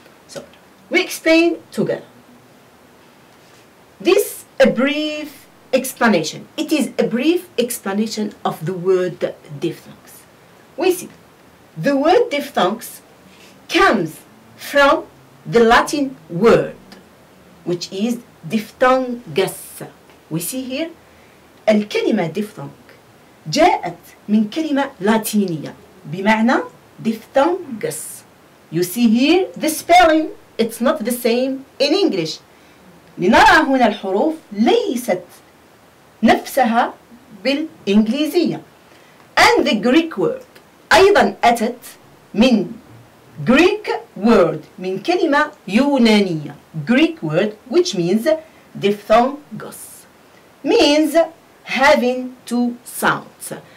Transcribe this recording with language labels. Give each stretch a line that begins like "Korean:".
English: So, we explain together. This a brief explanation. It is a brief explanation of the word diphthongs. We see, the word diphthongs comes from the Latin word, which is diphthongus. We see here,
Arabic: الكلمة diphthong جاءت من كلمة لاتينية بمعنى diphthongus.
English: You see here, the spelling, it's not the same in English.
Arabic: لنرى هنا الحروف ليست نفسها بالإنجليزية.
English: And the Greek word
Arabic: أيضا أتت من
English: Greek word,
Arabic: من كلمة يونانية.
English: Greek word, which means diphthongos, means having two sounds.